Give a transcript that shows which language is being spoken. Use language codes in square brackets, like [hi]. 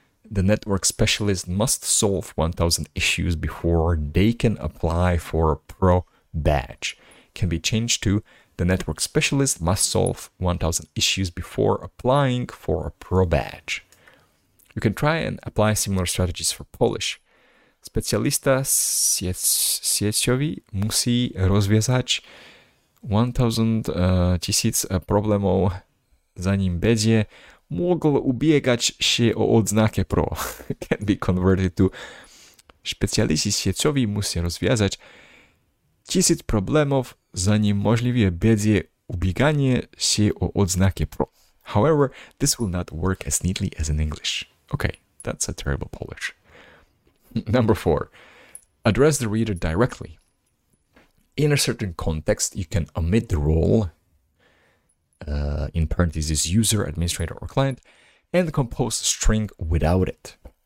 [en] The network specialist must solve 1,000 issues before they can apply for a pro badge. Can be changed to the network specialist must solve 1,000 issues before applying for a pro badge. You can try and apply similar strategies for Polish. [pl] Specjalista sieciowi musi rozwiązać 1,000 problemów zanim będzie mógł ubiegać się o odznakę pro. Can be converted to specjalista sieciowi musi rozwiązać 1,000 problemów zanim możliwie będzie ubieganie się o odznakę pro. [en] However, this will not work as neatly as in English. Okay, that's a terrible Polish. Number 4. Address the reader directly. In a certain context, you can omit the role, in parentheses, user, administrator, or client, and compose a string without it.